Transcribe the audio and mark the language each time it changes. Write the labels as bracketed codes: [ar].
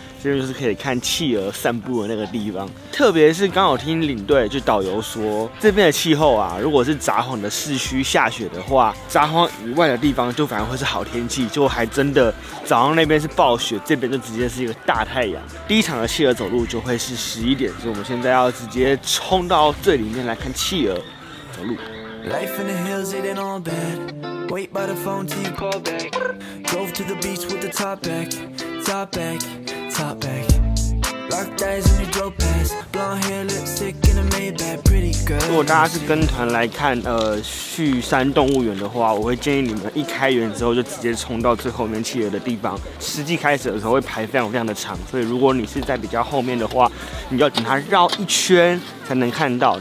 [zh] 这就是可以看企鹅散步的那个地方，特别是刚好听领队就导游说，这边的气候啊，如果是札幌的市区下雪的话，札幌以外的地方就反而会是好天气，就还真的早上那边是暴雪，这边就直接是一个大太阳。第一场的企鹅走路就会是11点，所以我们现在要直接冲到最里面来看企鹅走路。 [en] Life in the hills, it ain't all bad. Wait by the phone till you call back. Drove to the beach with the top back, top back. Top back, locked eyes in the dope pass, blonde hair, lipstick in a Maybach, pretty girl. [zh] 如果大家是跟团来看旭山动物园的话，我会建议你们一开园之后就直接冲到最后面企鹅的地方。实际开始的时候会排非常非常的长，所以如果你是在比较后面的话，你要等它绕一圈才能看到。